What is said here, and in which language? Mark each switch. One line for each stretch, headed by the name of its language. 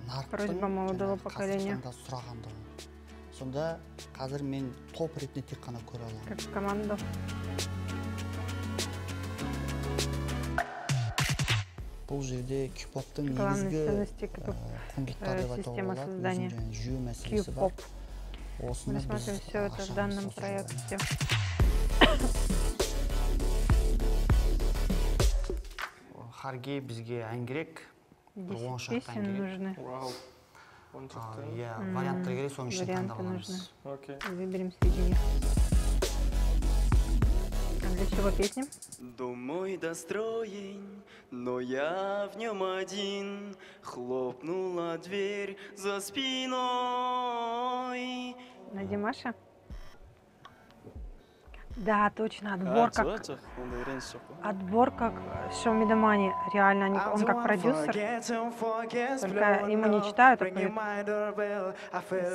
Russian: Просьба молодого поколения.
Kazakh: Сонда қазір мен топ ретінде тек қана көре аламын.
Russian: Как команду.
Kazakh: Бұл жерде кюпоптың негізгі құндылықтары деп айтуға болады. Жүйе мәселесі бар.
Russian: Мы смотрим все это в данном проекте.
Kazakh: Харги, бізге ән керек.
Russian: 10 песен нужны. Вау.
Kazakh: Варианты керек, соның ішін таңдап аламыз.
Russian: Окей. Выберем среди них. А для чего песни? Домой достроен, Но я в нем один, хлопнула дверь за спиной. На Димаша? Да, точно, отбор как... Отбор как Show Me The Money. Реально, он как продюсер. Только ему не читают, а поют.